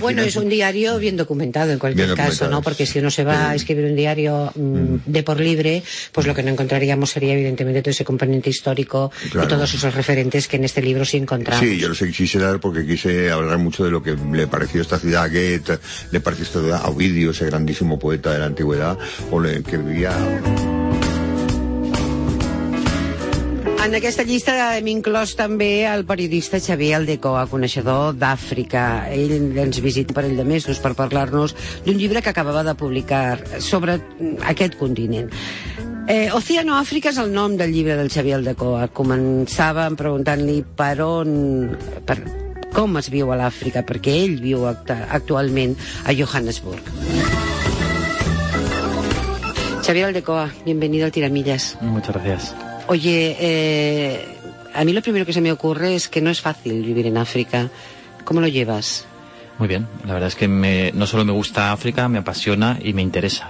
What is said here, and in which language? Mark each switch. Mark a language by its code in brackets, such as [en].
[es] Bueno, es un diario bien documentado en cualquier caso, ¿no? Porque si uno se va a escribir un diario de por libre, pues lo que no encontraríamos sería evidentemente todo ese componente histórico y todos esos referentes que en este libro sí encontramos. Sí, yo los quise dar porque quise hablar mucho de lo que le pareció esta ciudad a Goethe, le pareció esta ciudad a Ovidio, ese grandísimo poeta de la antigüedad, o le que vivía. [ca] En aquesta llista hem inclòs també el periodista Xavier Aldecoa, coneixedor d'Àfrica. Ell ens visita per ell de mesos per parlar-nos d'un llibre que acabava de publicar sobre aquest continent. Oceano Àfrica és el nom del llibre del Xavier Aldecoa. Començàvem preguntant-li per on... per com es viu a l'Àfrica, perquè ell viu actualment a Johannesburg. [es] Xavier Aldecoa, bienvenido al Tiramillas. Muchas gracias. Oye, a mí lo primero que se me ocurre es que no es fácil vivir en África. ¿Cómo lo llevas? Muy bien. La verdad es que no solo me gusta África, me apasiona y me interesa.